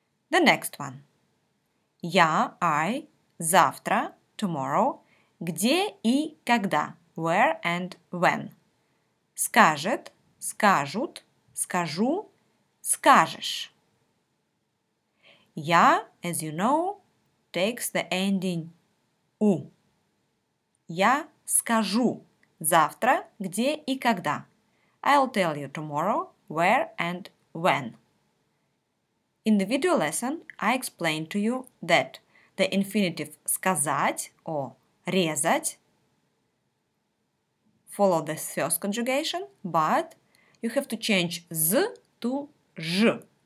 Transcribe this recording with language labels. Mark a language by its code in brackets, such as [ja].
[en] The next one. Я, I, завтра, tomorrow, [ru] где и когда, [en] where and when. [ru] Скажет, скажут, скажу, скажешь. [en] Я, as you know, takes the ending у. [ru] Я скажу завтра, где и когда. [en] I'll tell you tomorrow where and when. In the video lesson, I explained to you that the infinitive сказать or резать follow the first conjugation, but you have to change z to ж.